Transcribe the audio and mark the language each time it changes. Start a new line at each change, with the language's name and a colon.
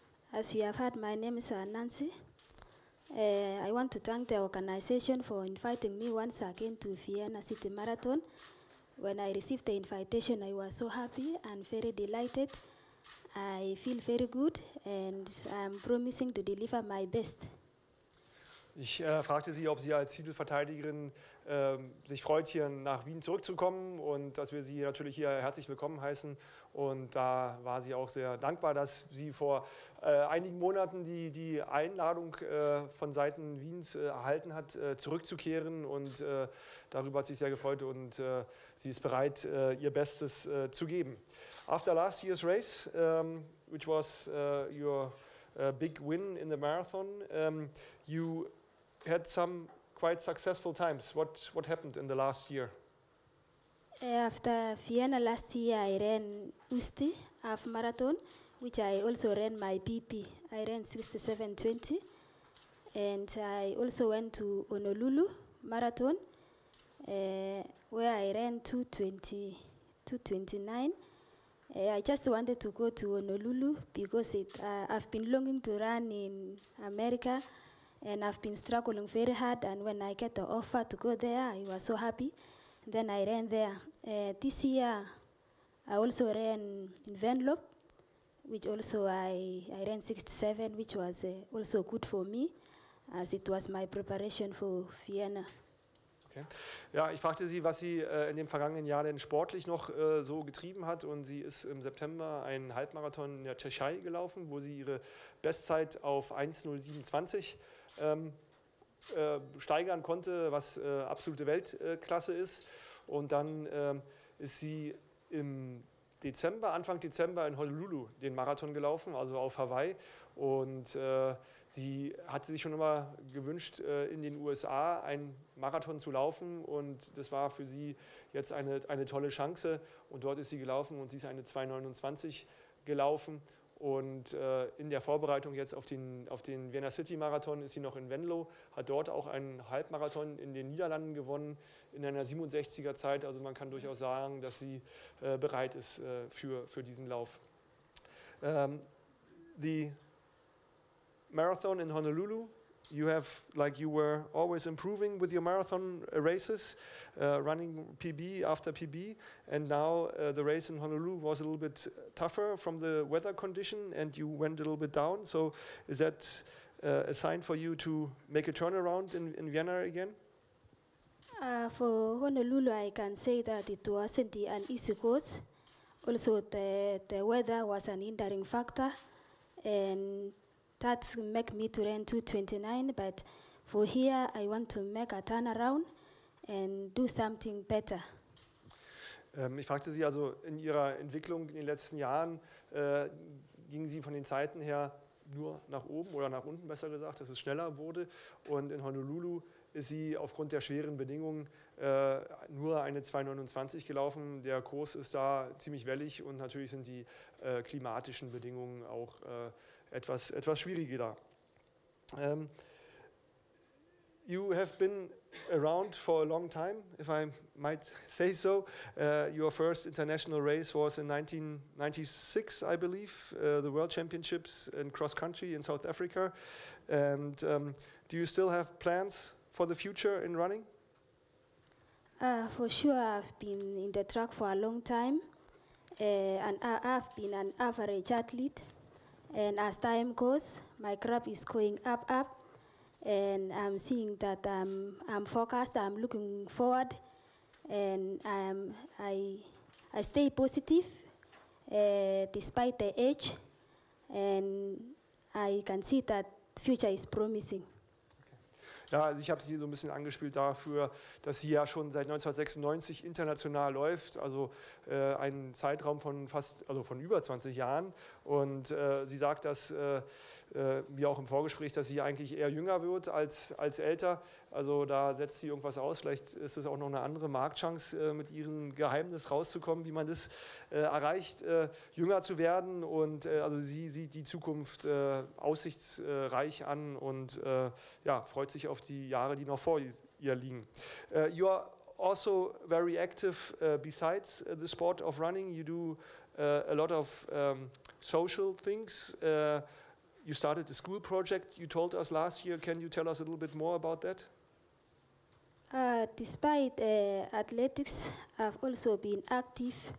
English: As you have heard, my name is Nancy. I want to thank the organization for inviting me once again to Vienna City Marathon. When I received the invitation, I was so happy and very delighted. I feel very good and I'm promising to deliver my best.
German: Ich fragte Sie, ob Sie als Titelverteidigerin sich freut, hier nach Wien zurückzukommen und dass wir Sie natürlich hier herzlich willkommen heißen. Und da war sie auch sehr dankbar, dass sie vor einigen Monaten die Einladung von Seiten Wiens erhalten hat, zurückzukehren. Und darüber hat sie sich sehr gefreut und sie ist bereit, ihr Bestes zu geben.
English: After last year's race, which was your big win in the marathon, you had some quite successful times. What happened in the last year? After Vienna last year, I ran Usti half marathon, which I also ran my PP. I ran 67:20, and I also went to Honolulu marathon, where I ran 2:29. I just wanted to go to Honolulu because I've been longing to run in America, and I've been struggling very hard. And when I get the offer to go there, I was so happy. Then I ran there. This year, I also ran in Venlo, which also I ran 67, which was also good for me, as it was my preparation for Vienna. Okay.
German: Ja, ich fragte Sie, was Sie in dem vergangenen Jahr denn sportlich noch so getrieben hat. Und sie ist im September einen Halbmarathon in der Tschechei gelaufen, wo sie ihre Bestzeit auf 1:07:20 steigern konnte, was absolute Weltklasse ist. Und dann ist sie im Dezember, Anfang Dezember in Honolulu den Marathon gelaufen, also auf Hawaii. Und sie hatte sich schon immer gewünscht, in den USA einen Marathon zu laufen. Und das war für sie jetzt eine tolle Chance. Und dort ist sie gelaufen und sie ist eine 2:29 gelaufen. Und in der Vorbereitung jetzt auf den Vienna City Marathon ist sie noch in Venlo, hat dort auch einen Halbmarathon in den Niederlanden gewonnen, in einer 67er Zeit. Also man kann durchaus sagen, dass sie bereit ist für diesen Lauf.
English: The marathon in Honolulu, you have, like you were always improving with your marathon races, running PB after PB, and now the race in Honolulu was a little bit tougher from the weather condition and you went a little bit down. So is that a sign for you to make a turnaround in Vienna again? For Honolulu, I can say that it wasn't an easy course. Also the weather was an hindering factor and that make me to run 2:29, but for here I want to make a turnaround and do something better.
German: Ich fragte Sie also, in Ihrer Entwicklung in den letzten Jahren, gingen Sie von den Zeiten her nur nach oben oder nach unten, besser gesagt, dass es schneller wurde. Und in Honolulu ist sie aufgrund der schweren Bedingungen nur eine 2:29 gelaufen. Der Kurs ist da ziemlich wellig und natürlich sind die klimatischen Bedingungen auch etwas schwieriger da.
English: You have been around for a long time, if I might say so. Your first international race was in 1996, I believe, the World Championships in cross country in South Africa. And do you still have plans for the future in running? For sure, I've been in the track for a long time. And I've been an average athlete. And as time goes, My crop is going up, up, and I'm seeing that I'm focused, I'm looking forward, and I stay positive despite the age, and I can see that future is promising.
German: Ja, also ich habe Sie so ein bisschen angespielt dafür, dass Sie ja schon seit 1996 international läuft, also einen Zeitraum von fast, also von über 20 Jahren. Und Sie sagt, dass wie auch im Vorgespräch, dass Sie eigentlich eher jünger wird als älter. Also da setzt Sie irgendwas aus. Vielleicht ist es auch noch eine andere Marktchance, mit Ihrem Geheimnis rauszukommen, wie man das erreicht, jünger zu werden. Und also Sie sieht die Zukunft aussichtsreich an und ja, freut sich auf die Jahre, die noch vor ihr liegen.
English: You are also very active besides the sport of running. You do a lot of social things. You started a school project, you told us last year. Can you tell us a little bit more about that? Despite athletics, I've also been active.